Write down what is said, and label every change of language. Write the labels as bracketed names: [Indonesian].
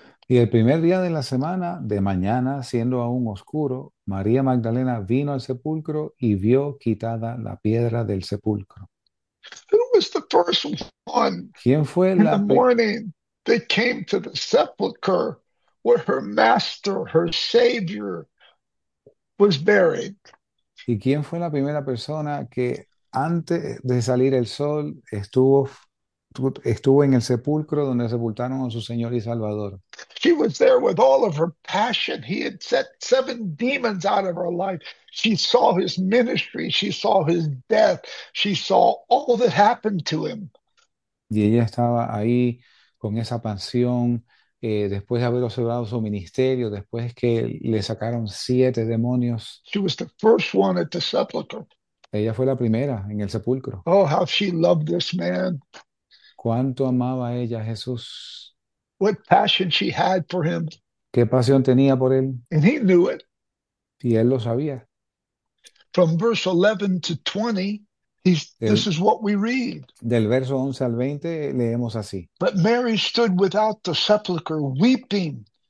[Spanish] Y el primer día de la semana, de mañana, siendo aún oscuro, María Magdalena vino al sepulcro y vio quitada la piedra del sepulcro. [English] Who was the first one [Spanish] ¿Quién fue [English] in the [Spanish] la primera? [English] morning that came to the sepulchre where her master, her savior, was buried? [Spanish] ¿Y quién fue la primera persona que antes de salir el sol estuvo en el sepulcro donde sepultaron a su Señor y Salvador? [English] She was there with all of her passion. He had set seven demons out of her life. She saw his ministry. She saw his death. She saw all that happened to him. [Spanish] Y ella estaba ahí con esa pasión, después de haber observado su ministerio, después que le sacaron siete demonios. [English] She was the first one at the sepulchre. [Spanish] Ella fue la primera en el sepulcro. [English] Oh, how she loved this man. [Spanish] ¿Cuánto amaba ella a Jesús? [English] What passion she had for him. [Spanish] ¿Qué pasión tenía por él? [English] And he knew it. [Spanish] Y él lo sabía. [English] From verse 11 to 20, this is what we read. [Spanish] Del verso 11 al 20 leemos así. [English] But Mary stood without the sepulchre, weeping.